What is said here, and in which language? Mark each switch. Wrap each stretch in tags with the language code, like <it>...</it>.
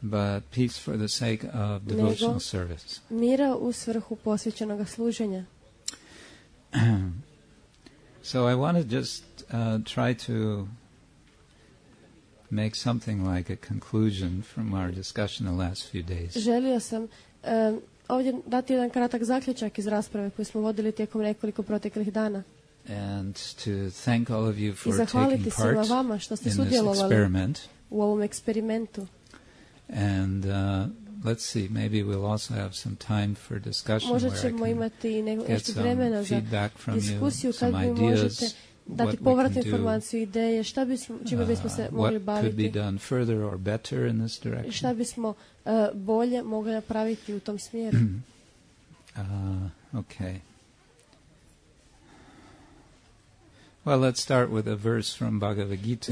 <en>but peace for the sake of devotional service.</en> <hr>Mira u svrhu posvećenog služenja.</hr> <en>So I want to just try to make something like a conclusion from our discussion the last few days.</en> <hr>Želio sam ovdje dati jedan kratak zaključak iz rasprave koju smo vodili tijekom nekoliko proteklih dana.</hr> <en>And to thank all of you for</en> <hr>i zahvaliti se na vama što ste sudjelovali u ovom eksperimentu.</hr> <en>And let's see, maybe we'll also have some time for discussion.</en> <hr>Možda ćemo imati i nešto vremena za diskusiju, kad mi možete dati povratnu informaciju, ideje, šta bismo, čime bismo se mogli baviti.</hr> <en>What could be done further or better in this direction?</en> <hr>Šta bismo bolje mogli napraviti u tom smjeru?</hr> <en>Okay. Well, let's start with a verse from Bhagavad Gita.</en>